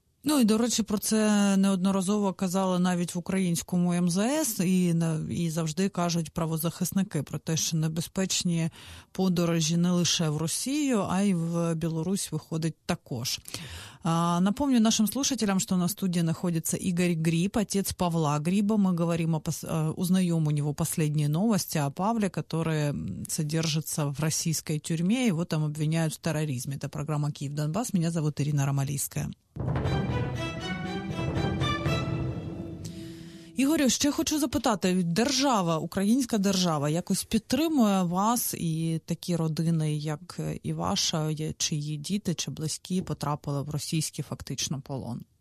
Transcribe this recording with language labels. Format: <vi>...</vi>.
<uk>Ну, і, до речі, про це неодноразово казали навіть в українському МЗС, і завжди кажуть правозахисники про те, що небезпечні подорожі не лише в Росію, а й в Білорусь виходить також.</uk> <ru>Напомню нашим слушателям, что на студии находится Игорь Гриб, отец Павла Гриба. Мы говорим о узнаем у него последние новости о Павле, который содержится в российской тюрьме, его там обвиняют в терроризме. Это программа «Киев-Донбасс». Меня зовут Ирина Ромалийская.</ru> <uk>Ігорю, ще хочу запитати, держава, українська держава, якось підтримує вас і такі родини, як і ваша, чи її діти, чи близькі потрапили в російський фактично полон?</uk>